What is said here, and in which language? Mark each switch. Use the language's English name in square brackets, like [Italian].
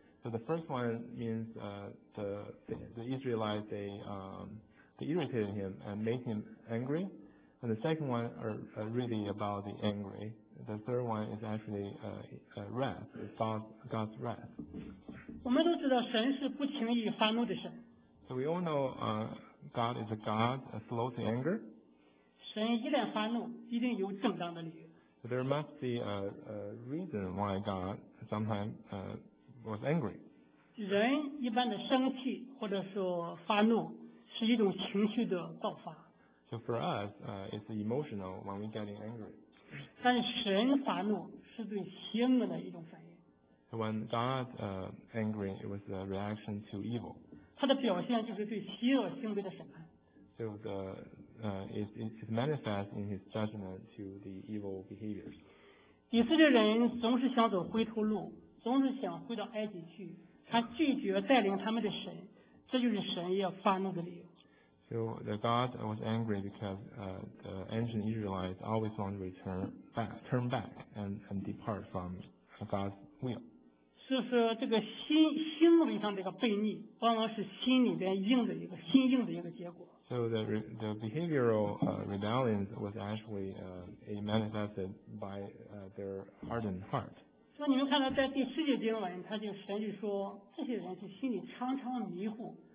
[English] So the first one means the Israelites they They irritated him and made him angry. And the second one are really about the angry. The third one is actually wrath, God's wrath. [Chinese] 我们都知道神是不轻易发怒的神。 [English] So we all know God is a God slow to anger. [Chinese] 神一旦发怒，一定有正当的理由。 [English] So there must be a reason why God sometimes was angry. [Chinese] 人一般的生气或者说发怒。是一种情绪的爆发。 [English] So for us, it's emotional when we getting angry. [Chinese] 但神发怒是对邪恶的一种反应。 [English] So when God angry, it was a reaction to evil. [Chinese] 它的表现就是对邪恶行为的审判。 [English] So it manifests in His judgment to the evil behaviors. [Chinese] 以色列人总是想走回头路，总是想回到埃及去，他拒绝带领他们的神。这就是神要发怒的理由。 [English] So the God was angry because the ancient Israelites always want to turn back and depart from God's will. [Chinese] 所以说这个心理上的一个悖逆，往往是心里边硬的一个心硬的一个结果。 [English] So the behavioral rebellion was actually manifested by their hardened heart. [Chinese] 所以你们看到在第十节经文，他就神就说这些人是心里常常迷糊。